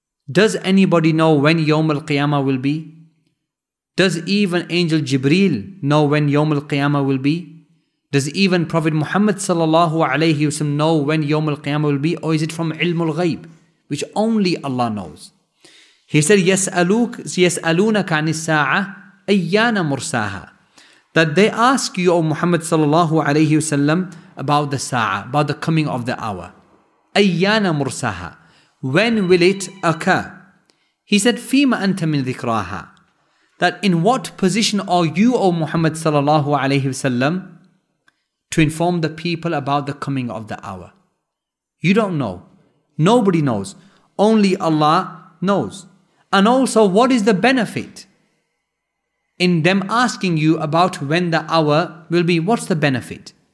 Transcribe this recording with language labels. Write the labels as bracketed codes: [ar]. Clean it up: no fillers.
[en] Does anybody know when Yawm al-Qiyamah will be? Does even Angel Jibreel know when Yawm al-Qiyamah will be? Does even Prophet Muhammad sallallahu alayhi wasallam know when Yawm al-Qiyamah will be? Or is it from Ilm al-Ghayb, which only Allah knows? He said, [ar] يَسْأَلُونَكَ عَنِ السَّاعَةِ أَيَّانَ مُرْسَاهَا. [en] That they ask you, O Muhammad sallallahu alayhi wasallam, about the sa'ah, about the coming of the hour. [ar] أَيَّانَ مُرْسَاهَا. [en] When will it occur? He said, [ar] فِيمَ أَنْتَ مِنْ ذِكْرَاهَا. [en] That in what position are you, O Muhammad sallallahu alayhi wasallam, to inform the people about the coming of the hour? You don't know. Nobody knows. Only Allah knows. And also, what is the benefit in them asking you about when the hour will be? What's the benefit?